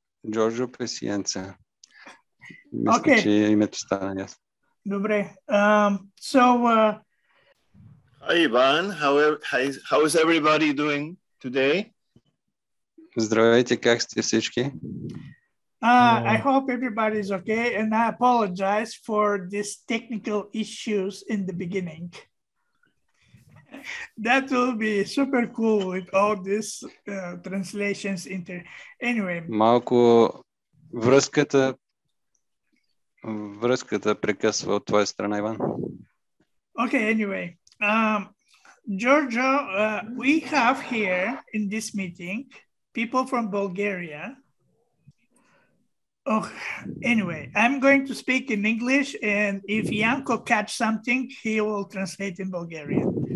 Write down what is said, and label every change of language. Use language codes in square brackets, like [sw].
[bg] Джорджио Писиенца. Мисля, че името стана ясно. Добре. Hi, [en] Иван. How is everybody doing today? [bg] Здравейте, как сте всички? [en] I hope everybody is okay, and I apologize for these technical issues in the beginning. That will be super cool with all these translations. Anyway. [bg] Малко връзката прекъсва от твоя страна, Иван. [en] Okay, anyway. Giorgio, we have here in this meeting people from Bulgaria. Oh, anyway, I'm going to speak in English, and if Yanko catch something, he will translate in Bulgarian.